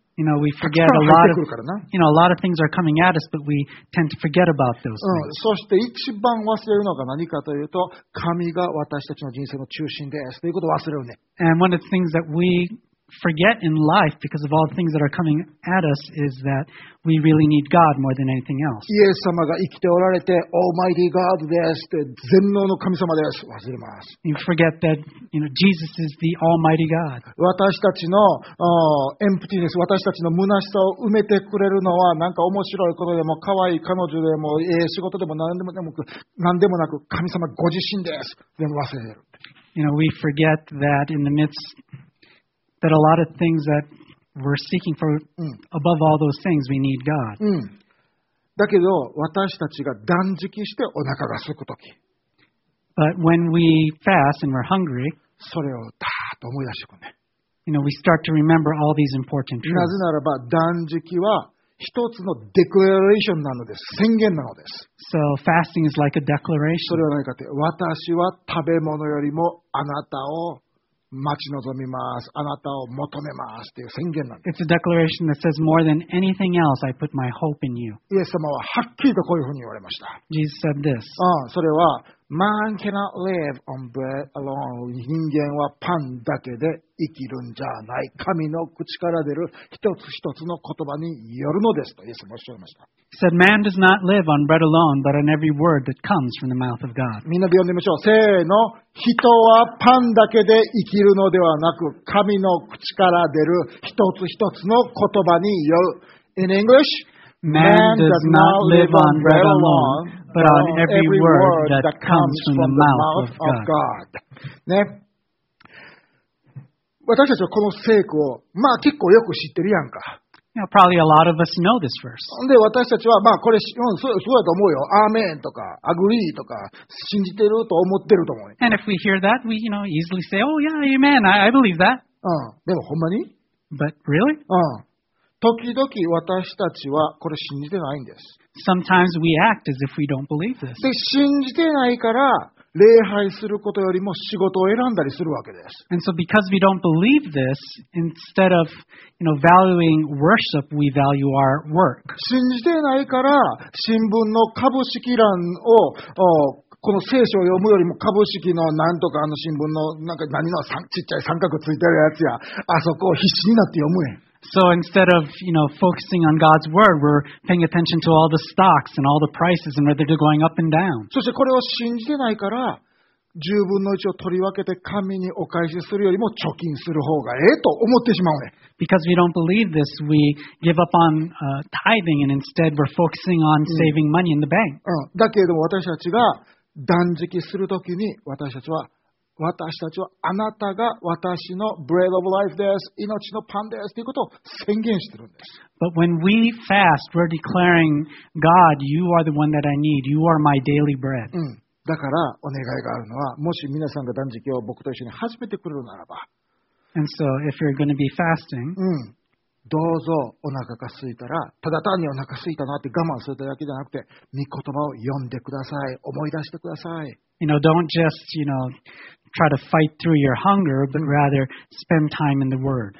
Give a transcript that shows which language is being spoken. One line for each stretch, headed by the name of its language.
English: You know, we forget a lot of, you know, a lot of things are coming at us, but we tend to forget about those things.
Japanese: そして一番忘れるのが何かというと、神が私たちの人生の中心ですということを忘れるね。
English: And one of the things that we forget in life because of all the things that are coming at us is that we really need God more than anything else.
Japanese: イエス様が生きておられて、
English: Almighty God
Japanese: ですって、全能の神様です。忘れます。
English: You forget that, you know, Jesus is the Almighty God.
Japanese: 私たちの、emptiness、私たちの虚しさを埋めてくれるのは、なんか面白いことでも、可愛い彼女でも、仕事でも何でもなく、神様ご自身です。でも忘れる。
English: You know, we forget that in the midst that a lot of things that we're seeking for, above all those things, we need God.
Japanese: だけど私たちが断食してお腹が空くとき、
English: But when we fast and we're hungry,
Japanese: それをだーっと思い出してくるね。
English: You know, we start to remember all these important truths.
Japanese: なぜならば断食は一つのデクラレーションなのです。宣言なのです。
English: So fasting is like a declaration.
Japanese: それは何かって、私は食べ物よりもあなたを待ち望みます。あなたを求めますっていう宣言なんです。
English: It's a declaration that says more than anything else, I put my hope in you.
Japanese: イエス様ははっきりとこういうふうに言われました。
English: Jesus said this.
Japanese: それは、
English: Man cannot live on bread alone.
Japanese: 人間はパンだけで生きるんじゃない。神の口から出る一つ一つの言葉によるのですと、イエス様はおっしゃいました。 He said, Man does not live on bread alone, but on every word that comes from the mouth of God. みんなで読んでみましょう。せーの。人はパンだけで生きるのではなく、神の口から出る一つ一つの言葉による。
English: In English, man does not live on bread alone, but on every word that comes from the mouth of God.
Japanese: ね。私たちはこの聖句を、まあ結構よく知ってるやんか。
English: You know, probably a lot of us know this verse.
Japanese: で、私たちは、まあ、これ、そうだと思うよ。アーメンとか、アグリーとか、信じてると思ってると思う。
English: And if we hear that, we, you know, easily say, oh, yeah, amen, I believe that.
Japanese: でも、ほんまに?
English: But really?
Japanese: うん。時々私たちはこれ信じてないんです。
English: Sometimes we act as if we don't believe this.
Japanese: で、信じてないから礼拝することよりも仕事を選んだりするわけです。
English: And so because we don't believe this, instead of, you know, valuing worship, we value our work.
Japanese: 信じてないから新聞の株式欄をこの聖書を読むよりも株式のなんとかあの新聞のなんか何のちっちゃい三角ついてるやつやあそこを必死になって読むやん。
English: So instead of, you know, focusing on God's word, we're paying attention to all the stocks and all the prices and whether they're going up and down.
Japanese: そしてこれを信じてないから十分の一を取り分けて神にお返しするよりも貯金する方がええと思ってしまうね。
English: Because we don't believe this, we give up on tithing and instead we're focusing on saving money in the bank.
Japanese: うん。だけど私たちが断食するときに私たちはあなたが私の
English: bread of life
Japanese: です命のパンですということを宣言してるんです。
English: But when we fast, we're declaring, God, you are the one that I need. You are my daily bread.
Japanese: うん。だからお願いがあるのは、もし皆さんが断食を僕と一緒に始めてくれるならば、
English: And so if you're going to be fasting,
Japanese: うん。どうぞお腹が空いたら、ただ単にお腹空いたなって我慢するだけじゃなくて、御言葉を読んでください、思い出してください。
English: You know, don't just, you know, try to fight through your hunger, but rather spend time in the Word.